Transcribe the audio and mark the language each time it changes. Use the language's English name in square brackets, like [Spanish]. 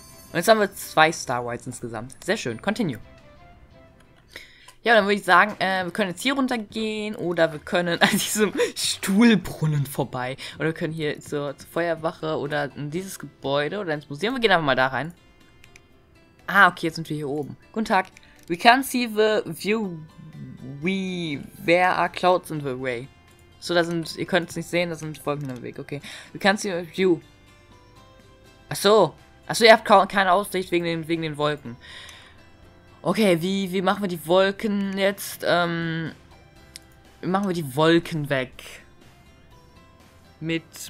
[German] Und jetzt haben wir 2 Starlights insgesamt. Sehr schön. Continue. Ja, dann würde ich sagen, wir können jetzt hier runtergehen oder wir können an diesem Stuhlbrunnen vorbei. Oder wir können hier zur Feuerwache oder in dieses Gebäude oder ins Museum. Wir gehen einfach mal da rein. Ah, okay, jetzt sind wir hier oben. Guten Tag. [English] We can see the view. There are clouds in the way. [German] So, da sind, ihr könnt es nicht sehen, da sind Wolken im Weg, okay. [English] We can see the view. [German] Achso, ihr habt keine Aussicht wegen den Wolken. Okay, wie machen wir die Wolken jetzt? Wie machen wir die Wolken weg? Mit.